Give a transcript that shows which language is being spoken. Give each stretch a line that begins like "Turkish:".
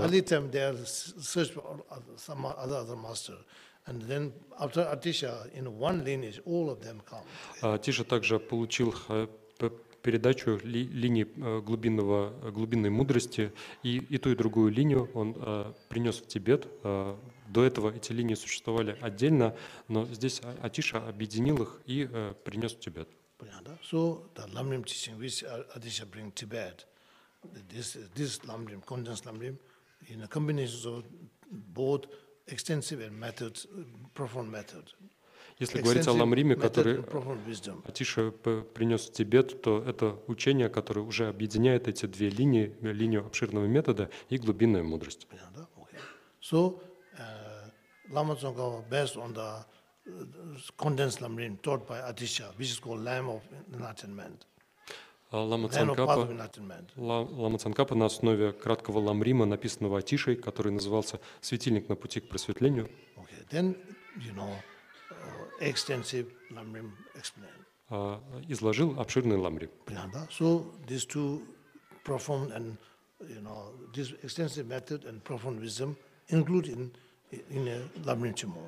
English: Early time they are search for some other master, and then after Atisha in one lineage all of them come.
Russian: Атиша также получил передачу линии глубинной мудрости и ту и другую линию он принес в Тибет. До этого эти линии существовали отдельно, но здесь Атиша объединил их и принес в Тибет. Понятно.
English: So the Lamrim teaching which Atisha bring Tibet. This Lamrim, condensed Lamrim, in a combination of both extensive and method, profound method.
Russian: Если говорить о Ламриме, который Атиша принес в Тибет, то это учение, которое уже объединяет эти две линии, линию обширного метода и глубинную мудрость. Понятно, да? Okay.
English: So, Lama Tsongkhapa, based on the condensed Lamrim taught by Atisha, which is called Lamb of Enlightenment.
Russian: Лама Цанкапа на основе краткого ламрима, написанного Атишей, который назывался «Светильник на пути к просветлению».
English: Okay. Then, extensive ламрим explained.
Russian: Изложил обширный ламрим. Понятно?
English: So, these two profound and, this extensive method and profound wisdom include in a ламрим чинмо.